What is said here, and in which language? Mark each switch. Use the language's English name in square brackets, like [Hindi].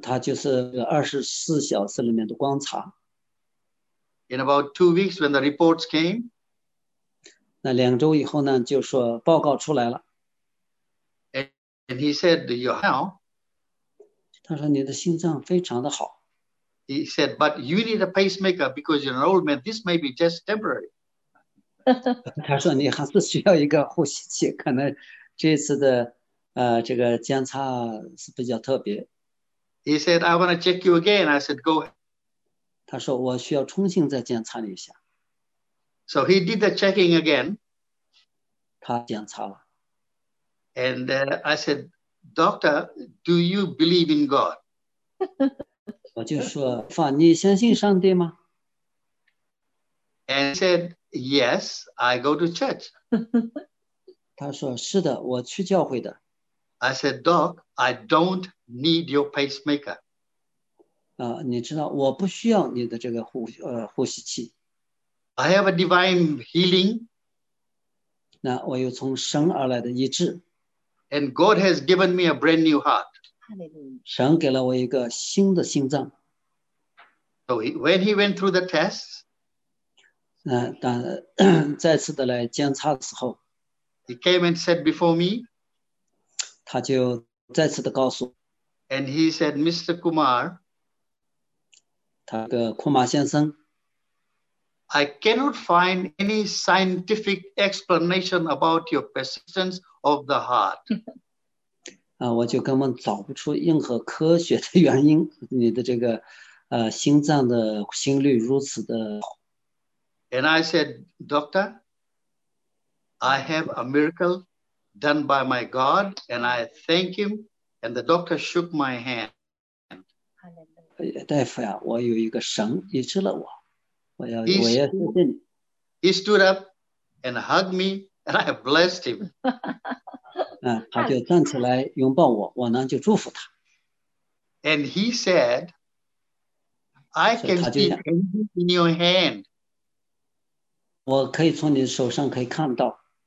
[Chinese] 他就是24小时里面的观察。 [English] In about 2 weeks when the reports came, [Chinese] 那两周以后呢，就说报告出来了。 [English] And he said, you know, [Chinese] 他说你的心脏非常的好。 [English] He said, but you need a pacemaker because you're an old man. This may be just temporary. [Chinese] 他说你还是需要一个呼吸器，可能这次的这个检查是比较特别。 [English] He said, I want to check you again. I said, go ahead. [Chinese] 他说我需要重新再检查一下。 [English] So he did the checking again. [Chinese] 他检查了。 [English] And I said, Doctor, do you believe in God? [Chinese] 我就说，法，你相信上帝吗？ [English] And he said, yes, I go to church. [Chinese] 他说，是的，我去教会的。 [English] I said, Doc, I don't need your pacemaker. [Chinese] 你知道，我不需要你的这个呼吸器。 [English] I have a divine healing. [Chinese] 那我有从神而来的医治。 [English] And God has given me a brand new heart. [Chinese] 神给了我一个新的心脏。 [English] So when he went through the tests, [Chinese] 当再次的来检查的时候， [English] he came and said before me, [Chinese] 他就再次的告诉， [English] and he said, Mr. Kumar, [Chinese] 他个库马先生， [English] I cannot find any scientific explanation about your persistence of the heart. [Chinese] 我就根本找不出任何科学的原因，你的这个心脏的心率如此的。 [English] And I said, Doctor, I have a miracle done by my God, and I thank him. And the doctor shook my hand. [Chinese] 大夫呀，我有一个神医治了我，我要谢谢你。 [English] He stood up and hugged me, and I blessed him. [Chinese] 他就站起来拥抱我呢就祝福他。 [English] And he said, I can see in your hand. [Chinese] 我可以从你手上可以看到。